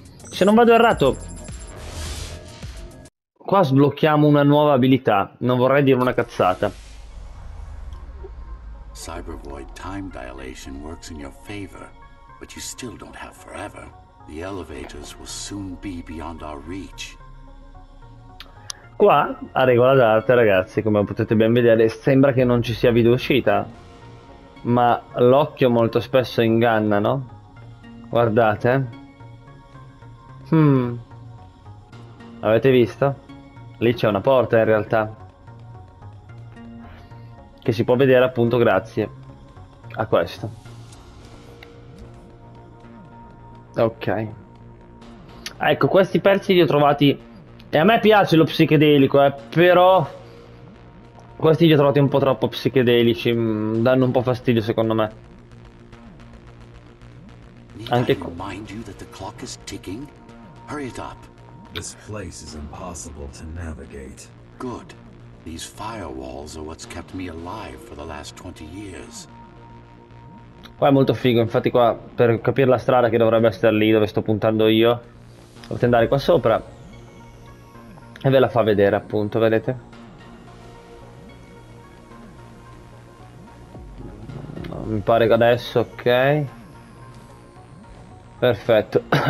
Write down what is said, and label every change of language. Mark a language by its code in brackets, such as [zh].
[it] Se non vado errato... qua sblocchiamo una nuova abilità. Non vorrei dire una cazzata. [en] Cyber Void time dilation works in your favor, but you still don't have forever. The elevators will soon be beyond our reach. [it] Qua, a regola d'arte, ragazzi, come potete ben vedere, sembra che non ci sia video uscita. Ma l'occhio molto spesso inganna, no? Guardate. Avete visto? Lì c'è una porta, in realtà. Che si può vedere appunto grazie a questo. Ok. Ecco, questi pezzi li ho trovati... e a me piace lo psichedelico, però... questi li ho trovati un po' troppo psichedelici. Danno un po' fastidio, secondo me. Anche qui. [en] This place is impossible to navigate. Good. These firewalls are what's kept me alive for the last 20 years. [it] Qua è molto figo, infatti qua per capire la strada che dovrebbe essere lì dove sto puntando io, dovete andare qua sopra e ve la fa vedere appunto, vedete? Mi pare che adesso, ok. Perfetto.